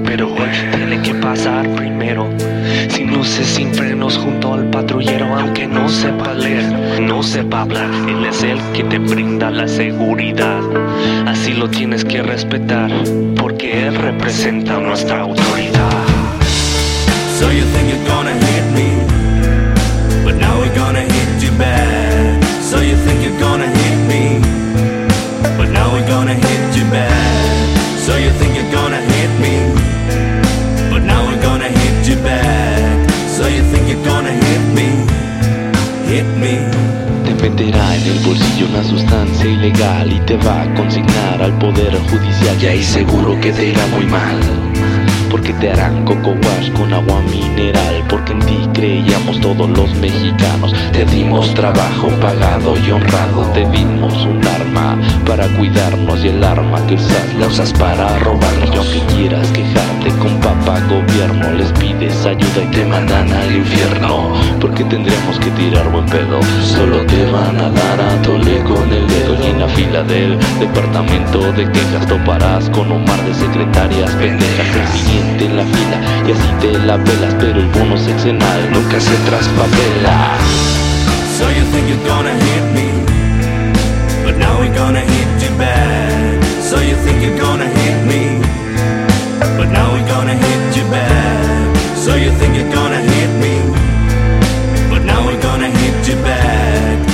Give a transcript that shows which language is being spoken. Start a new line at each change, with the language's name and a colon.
Spanish: Pero él tiene que pasar primero, sin luces, sin frenos, junto al patrullero. Aunque no sepa leer, no sepa hablar, él es el que te brinda la seguridad. Así lo tienes que respetar, porque él representa nuestra autoridad.
English: So you think you're gonna hit me, but now we're gonna hit you back. So you think you're gonna hit me, but now we're gonna hit you back. So you think you're gonna hit me, but now we're gonna hit you back. So you think you're gonna hit me, hit me.
Spanish: Venderá en el bolsillo una sustancia ilegal y te va a consignar al poder judicial. Y ahí seguro que te irá muy mal, porque te harán coco wash con agua mineral. Porque en ti creíamos todos los mexicanos. Te dimos trabajo pagado y honrado. Te dimos un arma para cuidarnos. Y el arma que usas la usas para robarnos. Y aunque quieras quejarte con papá gobierno, les pides ayuda y te mandan al infierno. Porque tendríamos que tirar buen pedo. Solo te van a dar a tole con el dedo. Y en la fila del departamento de quejas toparás con un mar de secretarias pendejas. Siguiente en la fila y así te la pelas, pero el bono sexenal nunca se traspapela.
English: So you think you're gonna hit me, but now we're gonna hit you back. So you think you're gonna hit me, but now we're gonna hit you back. So you think you're gonna hit me, but now we're gonna hit you back.